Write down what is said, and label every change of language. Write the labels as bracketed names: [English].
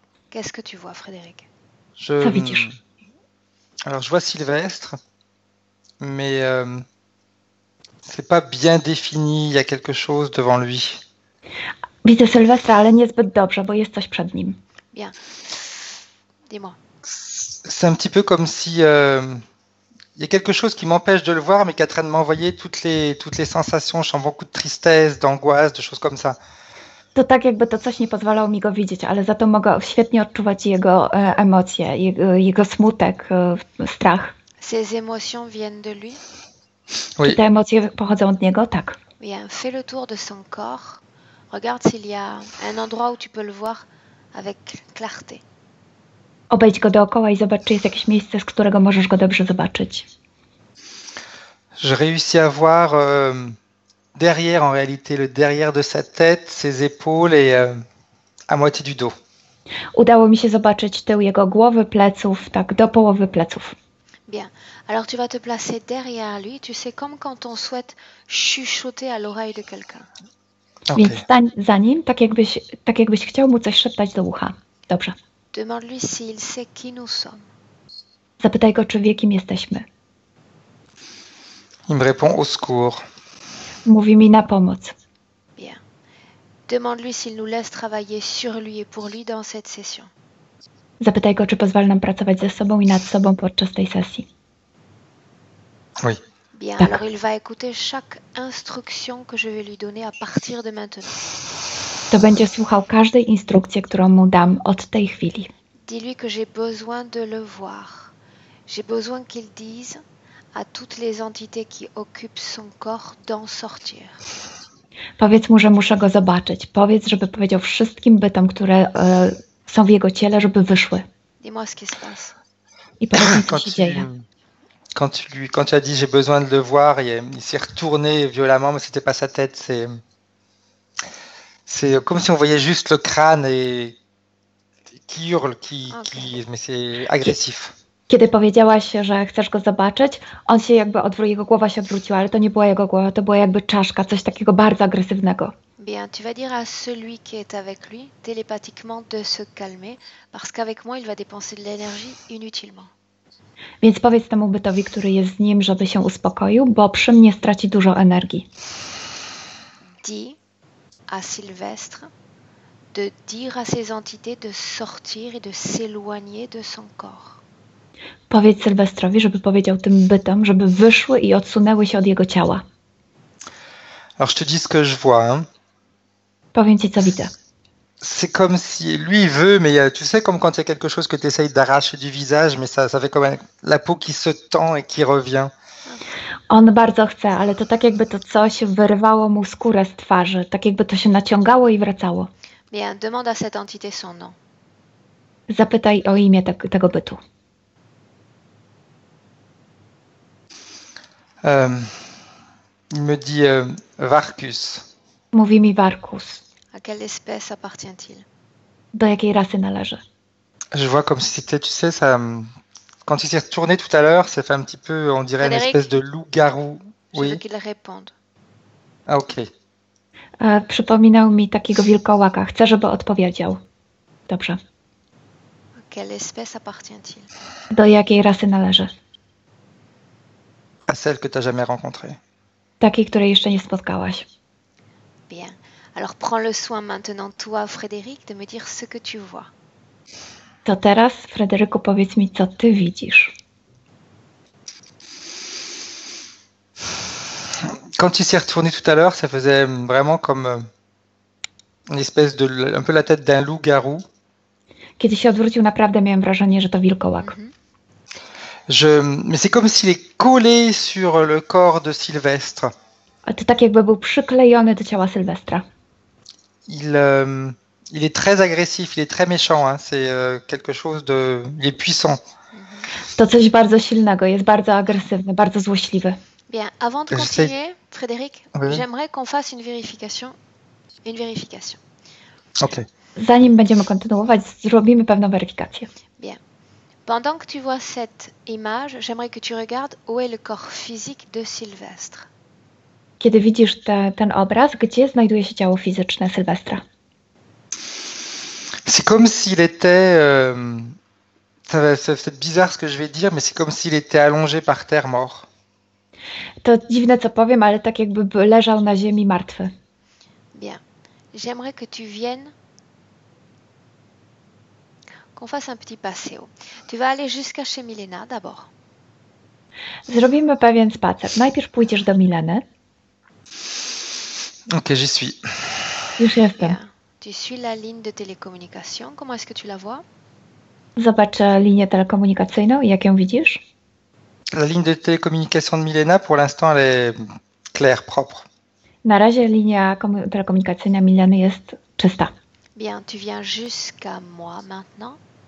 [French] Qu'est-ce que tu vois, Frédéric? Alors, je vois Sylvestre, mais c'est pas bien défini, il y a quelque chose devant lui. [Polish] Widzę Sylwestra, ale niezbyt dobrze, bo jest coś przed nim. [French] Bien. Dis-moi. C'est un petit peu comme si il y a quelque chose qui m'empêche de le voir, mais Catherine m'a envoyé toutes les sensations. Je sens beaucoup de tristesse, d'angoisse, de choses comme ça. [Polish] To tak jakby to coś nie pozwalało mi go widzieć, ale za to mogę świetnie odczuwać jego emocje, jego smutek, strach. [French] Ces émotions viennent de lui? Oui. [Polish] Te emocje pochodzą od niego, tak. [French] Bien, fais le tour de son corps. Regarde s'il y a un endroit où tu peux le voir avec clarté. [Polish] Obejdź go dookoła i zobacz, czy jest jakieś miejsce, z którego możesz go dobrze zobaczyć. [French] Je réussis à voir derrière, en réalité, le derrière de sa tête, ses épaules et à moitié du dos. [Polish] Udało mi się zobaczyć tył jego głowy, pleców, tak, do połowy pleców. [French] Bien. Alors tu vas te placer derrière lui, tu sais, comme quand on souhaite chuchoter à l'oreille de quelqu'un. Okay. [Polish] Więc stań za nim, tak jakbyś chciał mu coś szeptać do ucha. Dobrze. [French] Demande-lui s'il sait qui nous sommes. [Polish] Zapytaj go, czy wie, kim jesteśmy. [French] Il me répond au secours. [Polish] Mówi mi na pomoc. [French] Bien. Demande-lui s'il nous laisse travailler sur lui et pour lui dans cette session. [Polish] Zapytaj go, czy pozwala nam pracować ze sobą i nad sobą podczas tej sesji. [French] Oui. Bien, [Polish] tak. [French] Alors il va écouter chaque instruction que je vais lui donner à partir de maintenant. [Polish] To będzie słuchał każdej instrukcji, którą mu dam od tej chwili. [French] Dis-lui que j'ai besoin de le voir. J'ai besoin qu'il dise à toutes les entités qui occupent son corps d'en sortir. [Polish] Powiedz mu, że muszę go zobaczyć. Powiedz, żeby powiedział wszystkim bytom, które są w jego ciele, żeby wyszły. [French] Dis-moi ce qui se passe. [Polish] I powiedz mi, co się dzieje. [French] Quand tu as dit j'ai besoin de le voir, il s'est retourné violemment, mais c'était pas sa tête. C'est comme si on voyait juste le crâne et qui hurle, qui mais c'est agressif. [Polish] Kiedy powiedziałaś, że chcesz go zobaczyć, on się jakby odwrócił, jego głowa się odwróciła, ale to nie była jego głowa, to była jakby czaszka, coś takiego bardzo agresywnego. [French] Bien, tu vas dire à celui qui est avec lui télépathiquement de se calmer, parce qu'avec moi il va dépenser de l'énergie inutilement. [Polish] Więc powiedz temu bytowi, który jest z nim, żeby się uspokoił, bo przy mnie straci dużo energii. [French] Dis à Sylvestre de dire à ses entités de sortir et de s'éloigner de son corps. [Polish] Powiedz Sylwestrowi, żeby powiedział tym bytom, żeby wyszły i odsunęły się od jego ciała. [French] Alors je te dis ce que je vois. [Polish] Powiem ci, co widzę. [French] C'est comme si lui il veut, mais tu sais, comme quand il y a quelque chose que tu essayes d'arracher du visage, mais ça fait comme la peau qui se tend et qui revient. [Polish] On bardzo chce, ale to tak jakby to coś wyrywało mu skórę z twarzy, tak jakby to się naciągało i wracało. [French] Bien, demande à cette entité son nom. [Polish] Zapytaj o imię tego bytu. [French] Il me dit Varkus. [Polish] Mówi mi Varkus. [French] À quelle espèce appartient-il? [Polish] Do jakiej rasy należy? [French] Je vois comme si c'était, tu sais, ça. Quand il s'est retourné tout à l'heure, ça fait un petit peu, on dirait, une espèce de loup-garou. Je veux qu'il réponde. Ah, ok. [Polish] Przypominał mi takiego wilkołaka. Chcę, żeby odpowiedział. Dobrze. [French] À quelle espèce appartient-il? [Polish] Do jakiej rasy należy? [French] À celle que tu n'as jamais rencontrée. [Polish] Takiej, której jeszcze nie spotkałaś. [French] Bien. Alors prends le soin maintenant, toi, Frédéric, de me dire ce que tu vois. [Polish] To teraz, Frédérico, powiedz mi, co ty widzisz. [French] Quand il s'est retourné tout à l'heure, ça faisait vraiment comme une espèce de, un peu la tête d'un loup-garou. [Polish] Kiedy się odwrócił, naprawdę miałem wrażenie, że to wilkołak. [French] Mais c'est comme s'il est collé sur le corps de Sylvestre. [Polish] A to tak jakby był przyklejony do ciała Sylwestra. [French] Il est très agressif, il est très méchant, hein. C'est quelque chose de, il est puissant. [Polish] To coś bardzo silnego, jest bardzo agresywny, bardzo złośliwy. [French] Bien, avant de continuer, Frédéric, j'aimerais qu'on fasse une vérification. Ok. [Polish] Zanim będziemy kontynuować, zrobimy pewną weryfikację. [French] Bien. Pendant que tu vois cette image, j'aimerais que tu regardes où est le corps physique de Sylvestre. [Polish] Kiedy widzisz ten obraz, gdzie znajduje się ciało fizyczne Sylwestra? [French] C'est comme s'il était ça va être bizarre ce que je vais dire, mais c'est comme s'il était allongé par terre mort. [Polish] To dziwne co powiem, ale tak jakby leżał na ziemi martwy. [French] Bien. J'aimerais que tu viennes, qu'on fasse un petit paseo. Tu vas aller jusqu'à chez Milena d'abord. [Polish] Zrobimy pewien spacer. Najpierw pójdziesz do Mileny. [French] Ok, j'y suis. [Polish] Już jestem. Yeah. [French] Tu suis la ligne de télécommunication. Comment est-ce que tu la vois? [Polish] Zobacz linię telekomunikacyjną i jak ją widzisz? [French] La ligne de télécommunication de Milena, pour l'instant, elle est claire, propre. [Polish] Na razie linia telekomunikacyjna Mileny jest czysta. [French] Bien, tu viens jusqu'à moi maintenant.